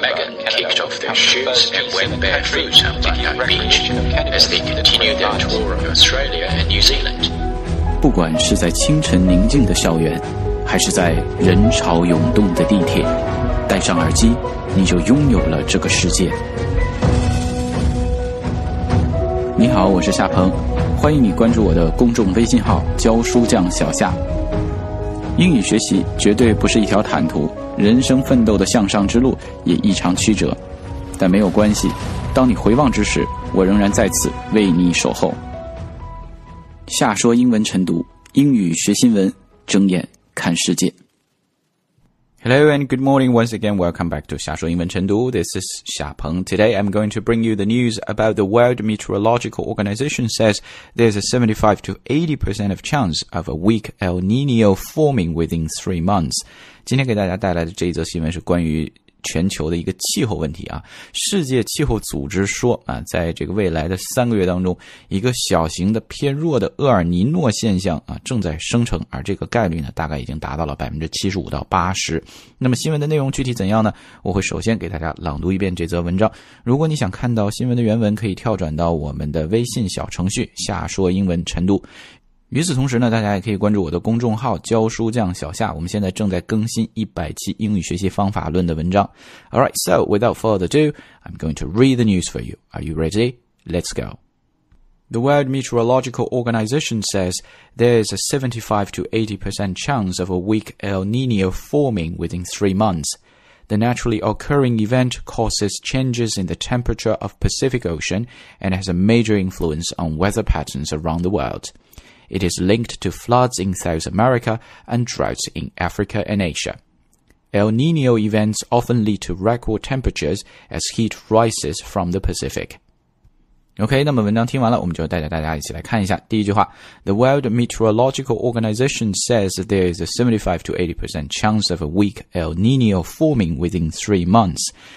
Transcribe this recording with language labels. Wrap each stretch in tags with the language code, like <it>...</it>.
<en>Megan kicked off their shoes and went barefoot on the beach as they continued their tour of Australia and New Zealand.</en> <zh>不管是在清晨宁静的校园，还是在人潮涌动的地铁，戴上耳机，你就拥有了这个世界。你好，我是夏鹏，欢迎你关注我的公众微信号教书匠小夏。英语学习绝对不是一条坦途，人生奋斗的向上之路也异常曲折，但没有关系，当你回望之时，我仍然在此为你守候。夏说英文晨读，英语学新闻，睁眼看世界。</zh> <en>Hello and good morning once again. Welcome back to 夏说英文晨读.This is 夏鹏. Today I'm going to bring you the news about the World Meteorological Organization says there's a 75-80% of chance of a weak El Nino forming within 3 months.</en> <zh>今天给大家带来的这一则新闻是关于全球的一个气候问题啊。世界气候组织说啊，在这个未来的3个月当中，一个小型的偏弱的厄尔尼诺现象啊正在生成，而这个概率呢大概已经达到了 75-80%。那么新闻的内容具体怎样呢？我会首先给大家朗读一遍这则文章。如果你想看到新闻的原文，可以跳转到我们的微信小程序夏说英文晨读。与此同时呢，大家也可以关注我的公众号教书匠小夏，我们现在正在更新100期英语学习方法论的文章。</zh> <en>Alright, so without further ado, I'm going to read the news for you. Are you ready? Let's go. The World Meteorological Organization says there is a 75-80% chance of a weak El Nino forming within 3 months. The naturally occurring event causes changes in the temperature of Pacific Ocean and has a major influence on weather patterns around the world. It is linked to floods in South America and droughts in Africa and Asia. El Nino events often lead to record temperatures as heat rises from the Pacific.</en> <zh>OK, 那么文章听完了，我们就带着大家一起来看一下。第一句话，</zh> <en>The World Meteorological Organization says that there is a 75-80% chance of a weak El Nino forming within 3 months.</en>